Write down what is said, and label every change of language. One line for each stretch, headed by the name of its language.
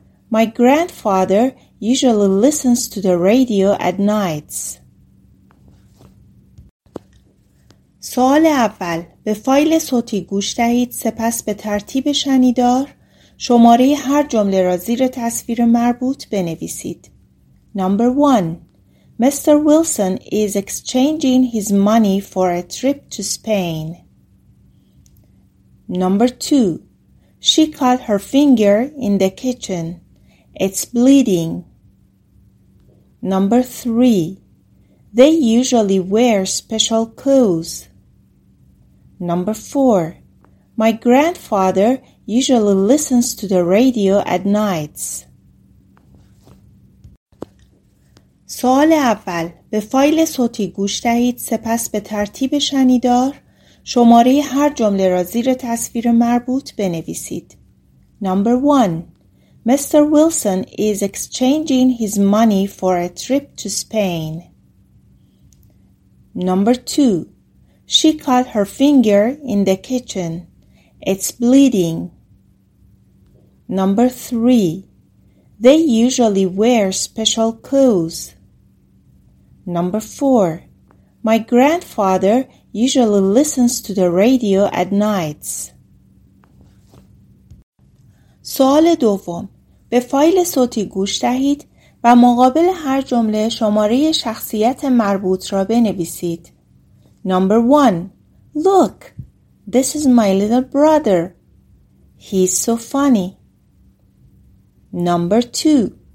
English: My grandfather usually listens to the radio at nights.
Persian: سوال اول، به فایل صوتی گوش دهید، سپس به ترتیب شنیدار شماره هر جمله را زیر تصویر مربوط بنویسید.
English: Number 1. Mr. Wilson is exchanging his money for a trip to Spain. Number 2. She cut her finger in the kitchen. It's bleeding. Number 3. They usually wear special clothes. Number 4. My grandfather usually listens to the radio at nights.
Persian: سوال اول، به فایل صوتی گوش دهید، سپس به ترتیب شنیدار شماره هر جمله را زیر تصویر مربوط بنویسید.
English: Number 1. Mr. Wilson is exchanging his money for a trip to Spain. Number 2. She cut her finger in the kitchen. It's bleeding. Number 3. They usually wear special clothes. Number 4. My grandfather usually listens to the radio at nights.
Persian: سوال دوم، به فایل صوتی گوش دهید و مقابل هر جمله شماره شخصیت مربوط را بنویسید.
English: Number 1. Look. This is my little brother. He's so funny. Number 2.